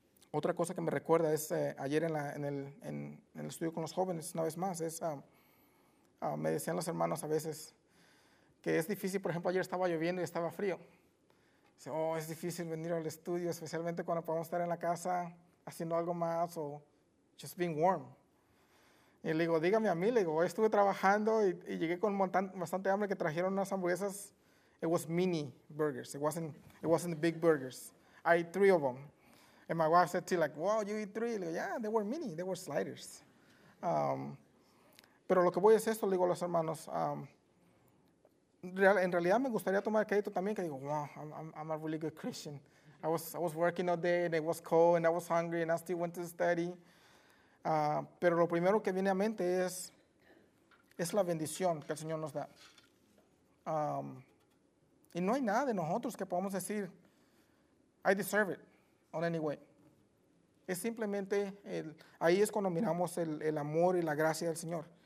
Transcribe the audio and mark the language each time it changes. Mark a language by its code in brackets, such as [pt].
[es] Otra cosa que me recuerda es ayer en el estudio con los jóvenes, una vez más, es me decían los hermanos a veces que es difícil, por ejemplo, ayer estaba lloviendo y estaba frío. Dice, oh, es difícil venir al estudio, especialmente cuando podemos estar en la casa haciendo algo más o [en] just being warm. [es] Y le digo, dígame a mí, le digo, estuve trabajando y llegué con bastante hambre que trajeron unas hamburguesas. [en] It was mini burgers, it wasn't big burgers. I ate three of them. And my wife said to me, like, wow, you eat three? Like, yeah, they were mini. They were sliders. [es] Pero lo que voy es esto, le digo a los hermanos. En realidad me gustaría tomar crédito también, que digo, [en] wow, I'm a really good Christian. I was working all day, and it was cold, and I was hungry, and I still went to study. [es] Pero lo primero que viene a mente es la bendición que el Señor nos da. Y no hay nada de nosotros que podamos decir, [en] I deserve it on any way. [es] Es simplemente, ahí es cuando miramos el amor y la gracia del Señor.